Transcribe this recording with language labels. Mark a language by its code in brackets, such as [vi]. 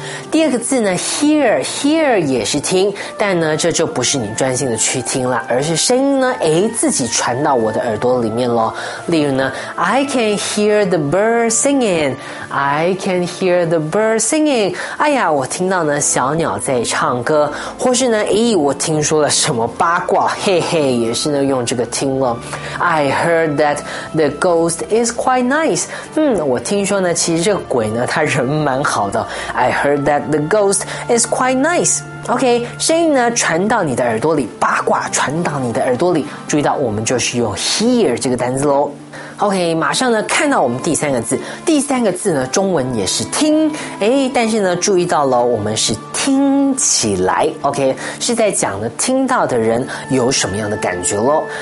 [zh] 第二个字呢 hear 也是听，但呢这就不是你专心的去听了，而是声音呢自己传到我的耳朵里面咯。例如呢 [en] I can hear the bird singing. I can hear the bird singing. [zh] 哎呀，我听到呢小鸟在唱歌，或是呢我听说了什么八卦，也是呢用这个听咯。 [en] I heard that the ghost is quite nice. [zh] 我听说呢其实这个鬼呢他人蛮好的。 [en] I heard that the ghost is quite nice. [zh] OK, 声音呢传到你的耳朵里，八卦传到你的耳朵里，注意到我们就是用 hear 这个单字咯。 OK, 马上呢看到我们第三个字，第三个字呢中文也是听，但是呢注意到了我们是听起来， OK, 是在讲呢听到的人有什么样的感觉咯。